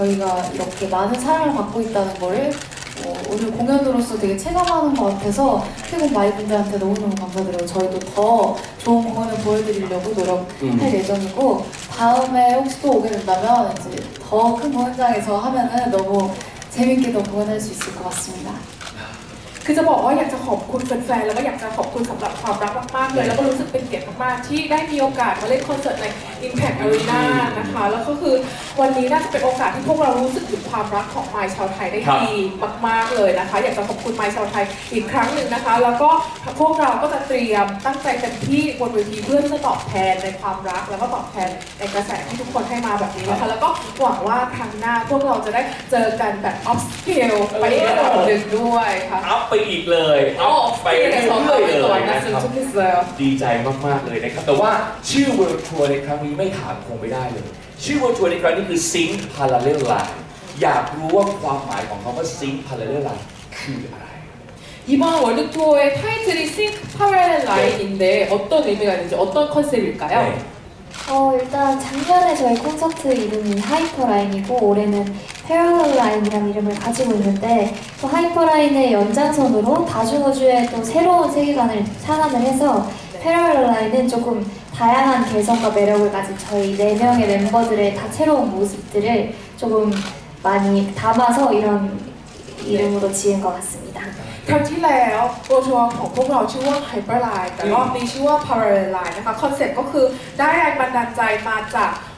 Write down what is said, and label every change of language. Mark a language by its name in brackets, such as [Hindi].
[Korean] 저희가 이렇게 많은 사랑을 받고 있다는 거를 오늘 공연으로서 되게 체감하는 것 같아서 태국 마이분들한테 너무너무 감사드리고 저희도 더 좋은 공연을 보여드리려고 노력할 예정이고 다음에 혹시 또 오게 된다면 이제 더 큰 공연장에서 하면은 너무 재밌게 더 공연할 수 있을 것 같습니다. 그래서 [Thai] บอกว่าอยากจะขอบคุณแฟนๆแล้วก็อยากจะขอบคุณสำหรับความรักมากๆเลยแล้วก็รู้สึกเป็นเกียรติมากๆที่ได้มีโอกาสมาเล่นคอนเสิร์ตใน Impact Arena นะคะแล้วก็คือวันนี้น่าจะเป็นโอกาสที่พวกเรารู้สึกถึงความรักของไมค์ชาวไทยได้ดี มากๆเลยนะคะอยากจะขอบคุณไมค์ชาวไทยอีกครั้งหนึ่งนะคะแล้วก็พวกเราก็จะเตรียมตั้งใจเต็มที่บนเวทีเพื่อจะตอบแทนในความรักแล้วก็ตอบแทนในกระแสที่ทุกคนให้มาแบบนี้นะคะแล้วก็หวังว่าครั้งหน้าพวกเราจะได้เจอกันแบบออฟสเกลไปอีกหนึ่งด้วยค่ะ ไปอีกเลย ไปเลยดีใจมากๆเลยนะครับแต่ว่าชื่อเวิร์ลทัวร์ในครั้งนี้ไม่ถามคงไม่ได้เลยชื่อเวิร์ลทัวร์ในครั้งนี้คือซิงค์พาราเลลไลน์อยากรู้ว่าความหมายของเขาว่าซิงค์พาราเลลไลน์คืออะไร [Korean] 이번 월드 투어의 타이틀이 싱크 파라렐라인인데 어떤 의미가 있는지 어떤 컨셉일까요? 네. 일단 작년에 저희 콘서트 이름이 하이퍼라인이고 올해는 패럴라인이라는 이름을 가지고 있는데 또 하이퍼라인의 연장선으로 다중우주의 또 새로운 세계관을 창안을 해서 패럴라인은 조금 다양한 개성과 매력을 가진 저희 네 명의 멤버들의 다채로운 모습들을 조금 많이 담아서 이런 이름으로 지은 것 같습니다. 그렇지래요. 혹시와 파럴라인인데컨셉 [Thai] ก็คือได้แรงบันดาลใจมาจาก